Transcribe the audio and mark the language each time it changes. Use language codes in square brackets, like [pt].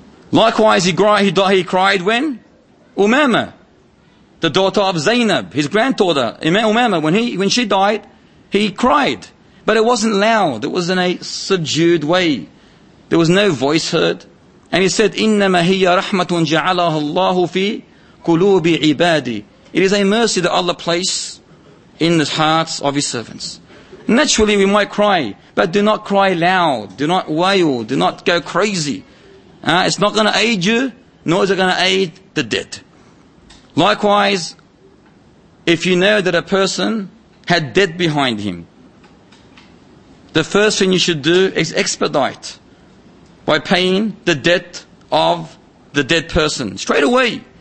[en] Likewise, he cried when Umama, the daughter of Zainab, his granddaughter, Umama, when she died, he cried. But it wasn't loud. It was in a subdued way. There was no voice heard. And he said, [ar] إِنَّمَا هِيَ رَحْمَةٌ جَعَلَهَا اللَّهُ فِي قُلُوبِ عِبَادِي. [en] It is a mercy that Allah placed in the hearts of His servants. Naturally, we might cry, but do not cry loud. Do not wail. Do not go crazy. It's not going to aid you, nor is it going to aid the dead. Likewise, if you know that a person had debt behind him, the first thing you should do is expedite by paying the debt of the dead person straight away.